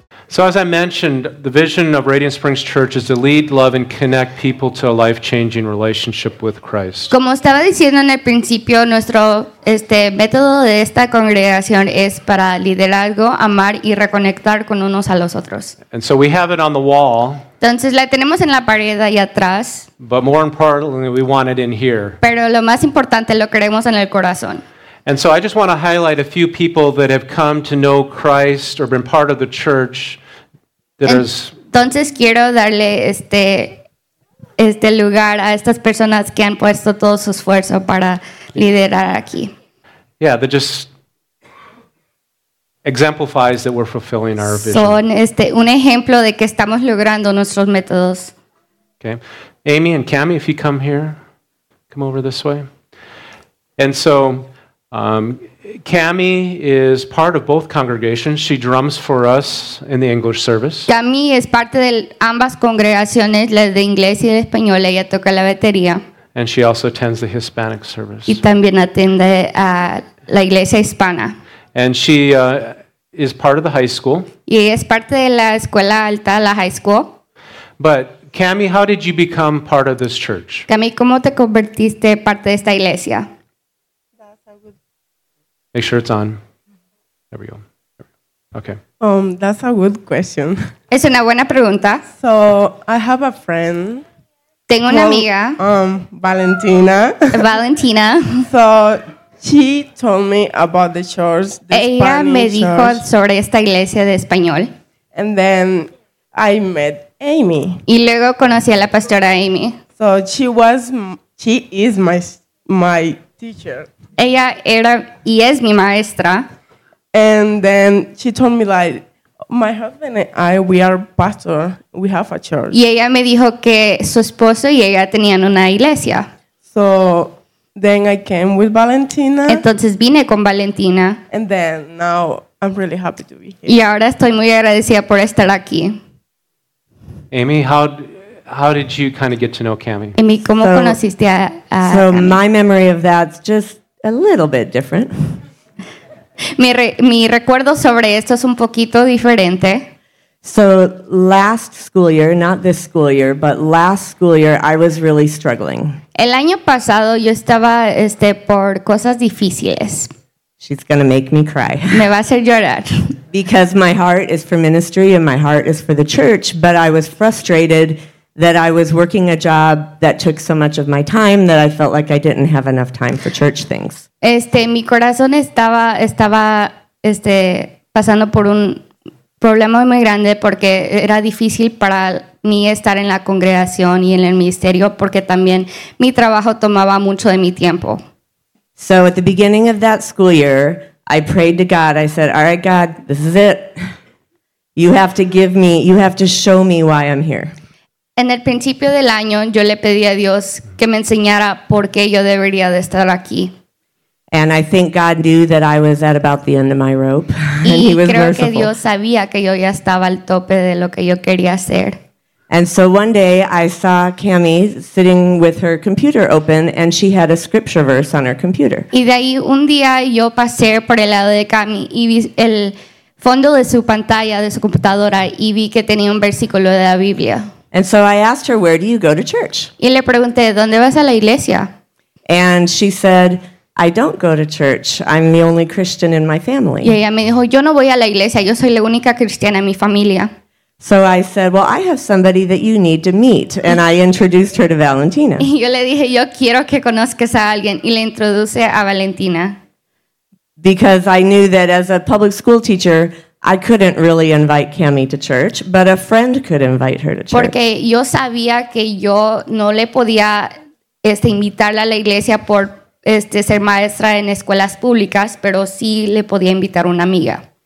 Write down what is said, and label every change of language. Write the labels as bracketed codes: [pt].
[en] So as I mentioned, the vision of Radiant Springs Church is to lead, love, and connect people to a life-changing relationship with Christ. [es] Como estaba diciendo en el principio, nuestro método de esta congregación es para liderazgo, amar y reconectar con unos a los otros. [en] And so we have it on the wall. [es] Entonces la tenemos en la pared ahí atrás. [en] But more importantly, we want it in here. [es] Pero lo más importante lo queremos en el corazón. [en] And so I just want to highlight a few people that have come to know Christ or been part of the church that is. [es] Entonces quiero darle este lugar a estas personas que han puesto todo su esfuerzo para liderar aquí. [en] Yeah, that just exemplifies that we're fulfilling our vision. [es] Son un ejemplo de que estamos logrando nuestros métodos. [en] Okay. Amy and Cammy, if you come here, come over this way. And so Cammy is part of both congregations. She drums for us in the English service. [es] Cammy es parte de ambas congregaciones, la de inglés y de español. Ella toca la batería. [en] And she also attends the Hispanic service. [es] Y también atiende a la iglesia hispana. [en] And she is part of the high school. [es] Y ella es parte de la escuela alta, la [en] high school. But Cammy, how did you become part of this church? [es] Cammy, ¿cómo te convertiste parte de esta iglesia? [en] Make sure it's on. There we go. Okay. That's a good question. [es] Es una buena pregunta. [en] So I have a friend. [es] Tengo una amiga. [en] Valentina. [es] Valentina. [en] So she told me about the church. [es] Ella me dijo sobre esta iglesia de español. [en] And then I met Amy. [es] Y luego conocí a la pastora Amy. [en] So she is my teacher. [es] Ella era y es mi maestra. [en] And then she told me like, my husband and I, we are pastor. We have a church. [es] Y ella me dijo que su esposo y ella tenían una iglesia. [en] So then I came with Valentina. [es] Entonces vine con Valentina. [en] And then now I'm really happy to be here. [es] Y ahora estoy muy agradecida por estar aquí. [en] Amy, how did you kind of get to know Cammy? [es] Amy, ¿cómo conociste a Cammy? [en] So my memory of that's just a little bit different. [es] Mi recuerdo sobre esto es un poquito diferente. [en] So last school year, not this school year, but last school year, I was really struggling. [es] El año pasado yo estaba por cosas difíciles. [en] She's gonna make me cry. [es] Me va a hacer llorar. [en] Because my heart is for ministry and my heart is for the church, but I was frustrated that I was working a job that took so much of my time that I felt like I didn't have enough time for church things. [es] Mi corazón estaba pasando por un problema muy grande porque era difícil para mí estar en la congregación y en el ministerio porque también mi trabajo tomaba mucho de mi tiempo. [en] So at the beginning of that school year, I prayed to God. I said, "All right, God, this is it. You have to show me why I'm here." [es] En el principio del año, yo le pedí a Dios que me enseñara por qué yo debería de estar aquí. [en] And I think God knew that I was at about the end of my rope. [es] Y [en] and he was [es] creo [en] merciful. [es] Que Dios sabía que yo ya estaba al tope de lo que yo quería hacer. [en] And so one day I saw Cammy sitting with her computer open and she had a scripture verse on her computer. [es] Y de ahí un día yo pasé por el lado de Cammy y vi el fondo de su pantalla, de su computadora, y vi que tenía un versículo de la Biblia. [en] And so I asked her, "Where do you go to church?" [es] Y le pregunté, "¿Dónde vas a la iglesia?" [en] And she said, "I don't go to church. I'm the only Christian in my family." [es] Y ella me dijo, "Yo no voy a la iglesia. Yo soy la única cristiana en mi familia." [en] So I said, "Well, I have somebody that you need to meet." And I introduced her to Valentina. [es] Y yo le dije, "Yo quiero que conozcas a alguien." Y le introduce a Valentina. [en] Because I knew that as a public school teacher, I couldn't really invite Cammy to church, but a friend could invite her to church. [es] Porque yo sabía que yo no le podía invitarla a la iglesia por ser maestra en escuelas públicas, pero sí le podía invitar una amiga.